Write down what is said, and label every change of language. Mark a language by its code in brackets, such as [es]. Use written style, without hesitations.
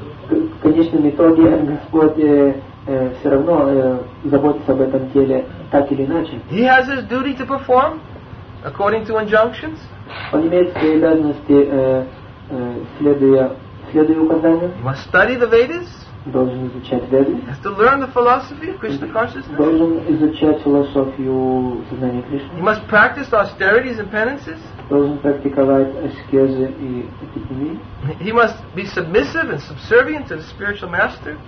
[ru] В конечном итоге Господь все равно заботиться об этом теле так или иначе. [en] He has his duty to perform according to injunctions. [ru] Он имеет свои обязанности, следуя указаниям. [en] He must study the Vedas. [ru] Должен изучать Веды. [en] He has to learn the philosophy of Krishna consciousness. [ru] Должен изучать философию сознания Кришны. [en] He must practice austerities and penances. [ru] Должен практиковать аскезы и аскезы. [en] He must be submissive and subservient to the spiritual master.